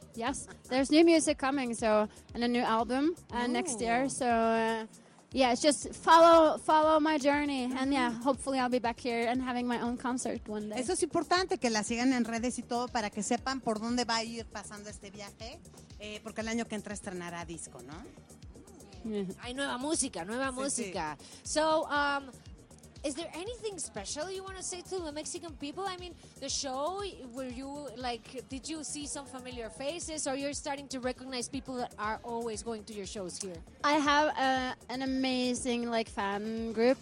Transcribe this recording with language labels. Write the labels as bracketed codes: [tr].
[en] Yes, there's new music coming, so, and a new album next year, so, yeah, it's just follow my journey, and yeah, hopefully I'll be back here and having my own concert one day. [es] Eso es importante, que la sigan en redes y todo para que sepan por dónde va a ir pasando este viaje, porque el año que entra estrenará disco, ¿no? Hay nueva música. Sí, sí. [en] So, Is there anything special you want to say to the Mexican people? I mean, the show, were you like, did you see some familiar faces, or you're starting to recognize people that are always going to your shows here? I have an amazing like fan group.